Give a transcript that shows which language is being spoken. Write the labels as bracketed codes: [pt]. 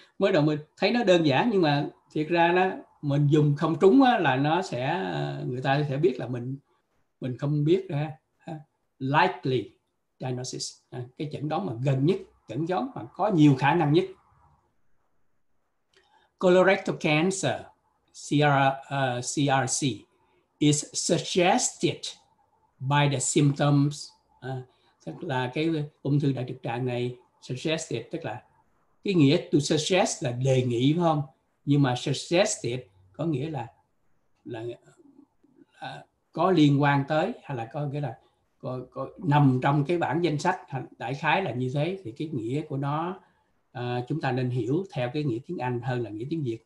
[vi] Mới đầu mình thấy nó đơn giản, nhưng mà thiệt ra nó mình dùng không trúng là nó sẽ, người ta sẽ biết là mình không biết ra. [en] Likely diagnosis, [vi] cái chẩn đoán mà gần nhất, chẩn đoán mà có nhiều khả năng nhất. [en] Colorectal cancer, CRC, is suggested by the symptoms. [vi] Tức là cái ung thư đại trực tràng này, suggested, tức là cái nghĩa to suggest là đề nghị, phải không? Nhưng mà suggested có nghĩa là có liên quan tới, hay là có nghĩa là có nằm trong cái bản danh sách, đại khái là như thế, thì cái nghĩa của nó, chúng ta nên hiểu theo cái nghĩa tiếng Anh hơn là nghĩa tiếng Việt.